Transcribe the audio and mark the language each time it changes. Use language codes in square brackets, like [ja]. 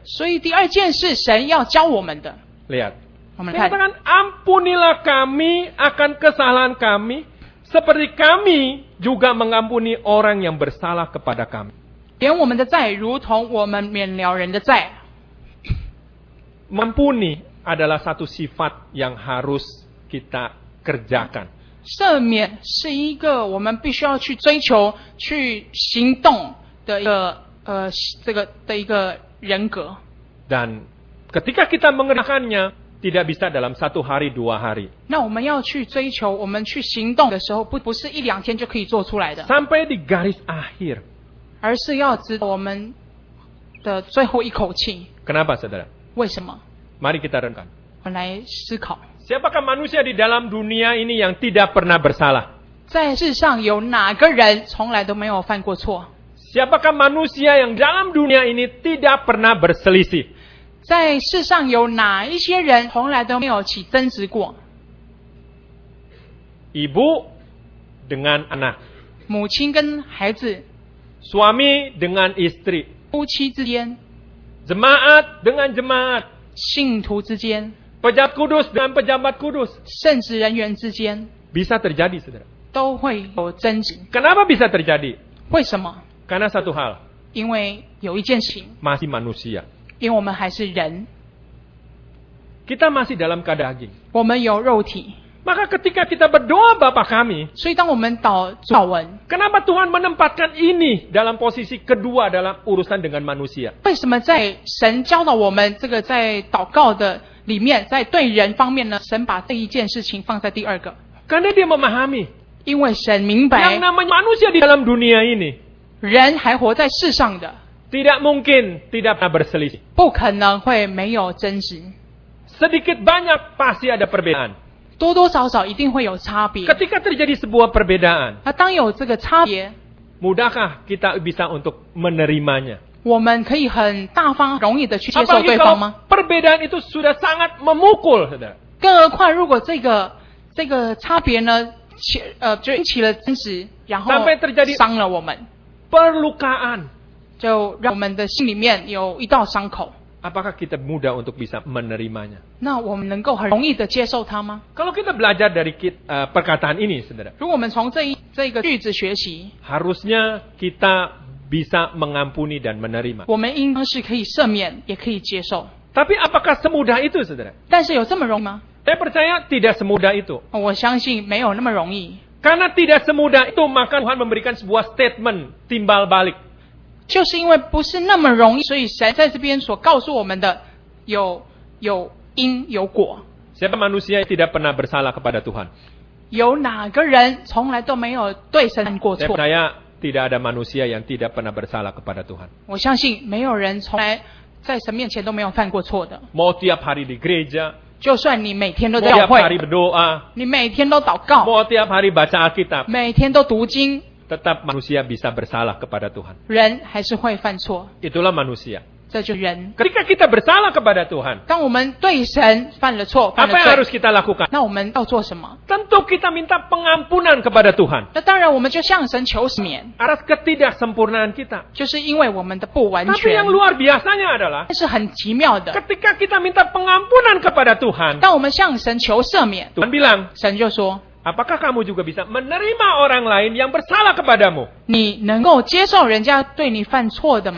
[zh] 所以第二件事神要教我们的。 [id] Lihat。 [zh] 我们看。 [id] Dikatakan ampunilah kami akan kesalahan kami。 Seperti kami juga mengampuni orang yang bersalah kepada kami. [zh] 连我们的债如同我们免了人的债。 [id] Mengampuni adalah satu sifat yang harus kita kerjakan. [zh] 赦免是一个我们必须要去追求、去行动的一个这个的一个人格。 [id] Dan ketika kita mengerjakannya. Tidak bisa dalam 1 hari, 2 hari. [zh] 那我们要去追求，我们去行动的时候，不是一两天就可以做出来的。 [id] Sampai di garis akhir. [zh] 而是要知道我们的最后一口气。 [id] Kenapa, saudara? [zh] 为什么？ [id] Mari kita renungkan. [zh] 我们来思考。 [id] Siapakah manusia di dalam dunia ini yang tidak pernah bersalah? [zh] 在世上有哪个人从来都没有犯过错？ [id] Siapakah manusia yang dalam dunia ini tidak pernah berselisih? [zh] 在世上有哪一些人从来都没有起争执过？ [id] Ibu dengan anak， [zh] 母亲跟孩子， [id] suami dengan istri， [zh] 夫妻之间， [id] jemaat dengan jemaat， [zh] 信徒之间， [id] pejabat kudus dengan pejabat kudus， [zh] 圣职人员之间， [id] bisa terjadi， saudara， [zh] 都会有争执。 [id] Kenapa bisa terjadi？ [zh] 为什么？ [id] Karena satu hal， [zh] 因为有一件事情， [id] masih manusia。 [zh] 因为我们还是人。 [id] Kita masih dalam kedaging. [zh] 我们有肉体。 [id] Maka ketika kita berdoa Bapa kami. [zh] 所以当我们祷文。 [id] Kenapa Tuhan menempatkan ini dalam posisi kedua dalam urusan dengan manusia? [zh] 为什么在神教导我们这个在祷告的里面，在对人方面呢？神把这一件事情放在第二个。 [id] Karena dia memahami. [zh] 因为神明白。 [id] Yang namanya manusia di dalam dunia ini. [zh] 人还活在世上的。 [id] Tidak mungkin tidak pernah berselisih. [zh] 不可能会没有争执。 [id] Sedikit banyak pasti ada perbedaan. [zh] 多多少少一定会有差别。 [id] Ketika terjadi sebuah perbedaan. [zh] 当有这个差别。 [id] Mudahkah kita bisa untuk menerimanya? [zh] 我们可以很大方容易的去接受对方吗？ [id] Perbedaan itu sudah sangat memukul. [zh] 更何况如果这个差别呢就引起了争执，然后 [id] sampai terjadi [zh] 伤了我们。 [id] Perlukaan. [zh] 就让我们的心里面有一道伤口。 [id] apakah kita mudah untuk bisa menerimanya? [zh] 那我们能够很容易的接受它吗? [id] Kalau kita belajar dari perkataan ini, saudara. [zh] 如果我们从这一个句子学习, [id] harusnya kita bisa mengampuni dan menerima. [zh] 我们应该是可以赦免，也可以接受。 [id] Tapi apakah semudah itu, saudara? [zh] 但是有这么容易吗? [id] Saya percaya tidak semudah itu. [zh] 我相信没有那么容易。 [id] Karena tidak semudah itu, maka Tuhan memberikan sebuah statement timbal balik. [zh] 就是因为不是那么容易，所以神在这边所告诉我们的有因有果。 [id] Siapa manusia yang tidak pernah bersalah kepada Tuhan? [zh] 有哪个人从来都没有对神过错？ [id] Saya percaya tidak ada manusia yang tidak pernah bersalah kepada Tuhan. [zh] 我相信没有人从来在神面前都没有犯过错的。 [id] Mau tiap hari di gereja. [zh] 就算你每天都在教会，每天都祷告， [id] Mau tiap hari berdoa， [zh] 你每天都祷告，每天都读经。 [id] Tetap manusia bisa bersalah kepada Tuhan. [zh] 人还是会犯错。 [id] Itulah manusia. [zh] 这就是人。 [id] Ketika kita bersalah kepada Tuhan. [zh] 当我们对神犯了错， [id] apa yang harus kita lakukan? [zh] 那我们要做什么? [id] Tentu kita minta pengampunan kepada Tuhan. [zh] 那当然我们就向神求赦免。 [id] Atas ketidaksempurnaan kita. [zh] 就是因为我们的不完全。 [id] Tapi yang luar biasanya adalah. [zh] 是很奇妙的。 [id] Ketika kita minta pengampunan kepada Tuhan. [zh] 当我们向神求赦免。 [id] Tuhan bilang. [zh] 神就说。 [id] Apakah kamu juga bisa menerima orang lain yang bersalah kepadamu? [zh] 你能够接受人家对你犯错的吗?